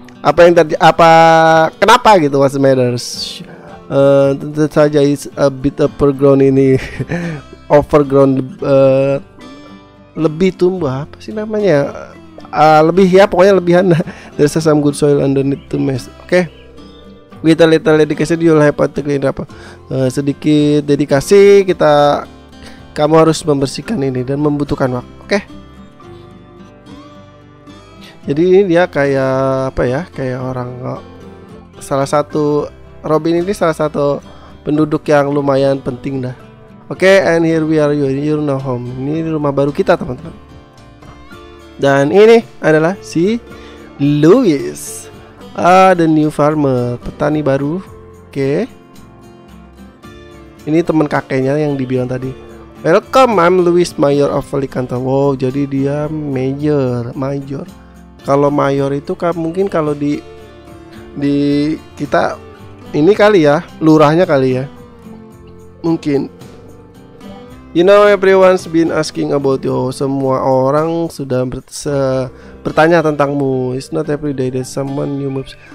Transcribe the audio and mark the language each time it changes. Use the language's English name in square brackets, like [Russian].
[Indonesian] Apa yang terjadi? Apa? Kenapa gitu? [English] What matters? [Indonesian] Tentu saja [English] is a bit overgrown ini. [Indonesian] Overgrown, lebih tumbuh, apa sih namanya, lebih ya, pokoknya lebihan. [English] There's some good soil underneath to mess. Oke, okay. With a little dedication you'll have to clean up. [Indonesian] Sedikit dedikasi kita, kamu harus membersihkan ini dan membutuhkan waktu. Oke, okay. Jadi ini dia kayak apa ya, kayak orang salah satu. Robin ini salah satu penduduk yang lumayan penting dah. [English] Oke, okay, and here we are, you're no home. [Indonesian] Ini rumah baru kita, teman-teman. Dan ini adalah si Louis, [English] the new farmer, [Indonesian] petani baru. Oke, okay. Ini teman kakeknya yang dibilang tadi. [English] Welcome, I'm Louis, mayor of Alicante. [Indonesian] Wow, jadi dia major. Kalau mayor itu kan mungkin kalau di kita ini kali ya, lurahnya kali ya, mungkin. [English] You know, everyone's been asking about you. [Indonesian] Semua orang sudah bertanya tentangmu. [English] It's not every day that someone new moves.